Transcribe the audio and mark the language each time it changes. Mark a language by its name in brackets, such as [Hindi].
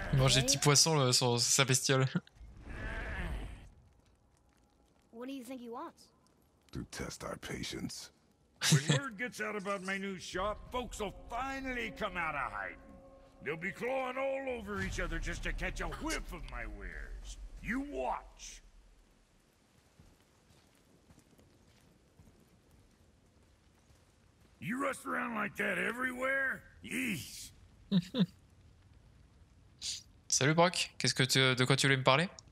[French] Il mangeait des petits poissons sur sa bestiole. [English] What do you think he wants? To test our patience. When word gets out about my new shop, folks will finally come out of hiding. They'll be clawing all over each other just to catch a whiff of my wares. You watch. You rust around like that everywhere? Yeesh. [French] Salut Brock, qu'est-ce que tu, de quoi tu voulais me parler?